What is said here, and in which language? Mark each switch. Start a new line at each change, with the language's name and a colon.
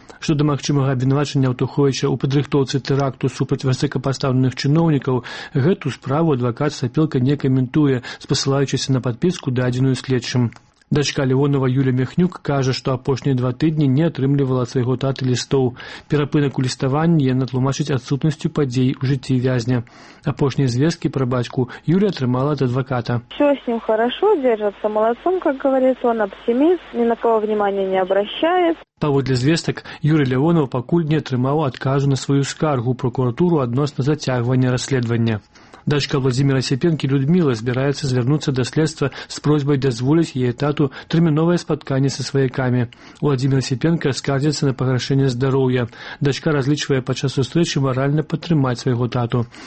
Belarusian: Што да магчымага абвінавачання Аўтуховіча ў падрыхтоўцы тэракту супраць высокапастаўленых чыноў, гэту справу адвакат Сапелка не каментуе, спасылаючыся на падпіску, дадзеную следчым. Дачка Лівонова Юля Мехнюк кажа, што апошнія два тыдні не атрымлівала свайго таты лістоў. Перапынак у ліставанні яна тлумачыць адсутнасцю падзей у жыцці вязня. Апошнія звесткі пра бацьку Юля атрымала ад адваката.
Russian: Всё с ним хорошо, держится молодцом, как говорится, он оптимист, ни на кого внимания не обращает.
Belarusian: Паводле звестак, Юрый Лявонаў пакуль не атрымаў адказу на сваю скаргу ў прокуратуру адносна зацягвання расследавання. Дачка Владзіміра Асіпенкі Людміла збіраецца звярнуцца да следства з просьбай дазволіць яе тату тэрміновае спатканне са сваякамі. Владзіміра Асіпенка скардзіцца на пагаршэнне здароўя. Дачка разлічвае падчас сустрэчы маральна падтрымаць свайго тату.